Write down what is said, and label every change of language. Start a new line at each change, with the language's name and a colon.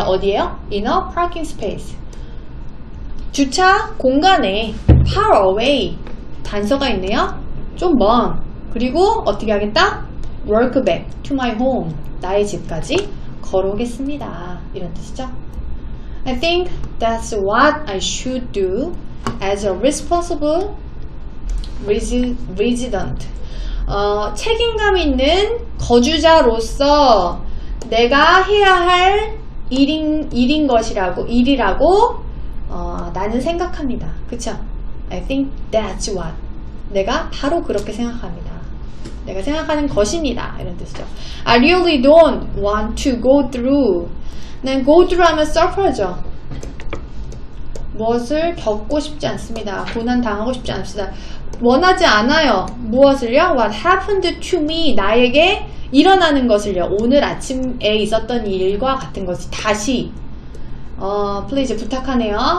Korean: 어디에요?
English: In a parking space.
Korean: 주차 공간에
English: far away
Korean: 단서가 있네요. 좀 먼. 그리고 어떻게 하겠다?
English: Walk back to my home.
Korean: 나의 집까지 걸어오겠습니다. 이런 뜻이죠?
English: I think that's what I should do as a responsible resident.
Korean: 책임감 있는 거주자로서 내가 해야 할 일인 것이라고 일이라고 나는 생각합니다. 그쵸?
English: I think that's what
Korean: 내가 바로 그렇게 생각합니다. 내가 생각하는 것입니다. 이런 뜻이죠.
English: I really don't want to go through.
Korean: 난 go through 하면 suffer죠. 무엇을 겪고 싶지 않습니다. 고난당하고 싶지 않습니다. 원하지 않아요. 무엇을요?
English: What happened to me?
Korean: 나에게 일어나는 것을요. 오늘 아침에 있었던 일과 같은 것이 다시. Please 부탁하네요.